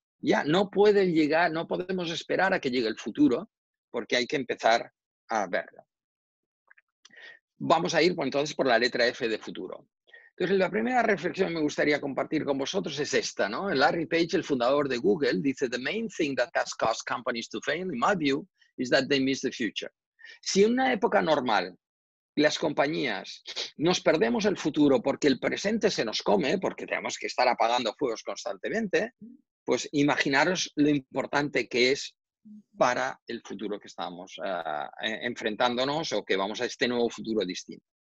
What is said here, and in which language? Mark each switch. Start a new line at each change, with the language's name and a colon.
Spanish: Ya no puede llegar, no podemos esperar a que llegue el futuro, porque hay que empezar a verlo. Vamos a ir entonces por la letra F de futuro. Entonces, la primera reflexión que me gustaría compartir con vosotros es esta, ¿no?
English: Larry Page,
Spanish: el fundador de Google, dice:
English: "The main thing that has caused companies to fail, in my view, is that they miss the future."
Spanish: Si en una época normal las compañías nos perdemos el futuro porque el presente se nos come, porque tenemos que estar apagando fuegos constantemente, pues imaginaros lo importante que es para el futuro que estamos enfrentándonos, o que vamos a este nuevo futuro distinto.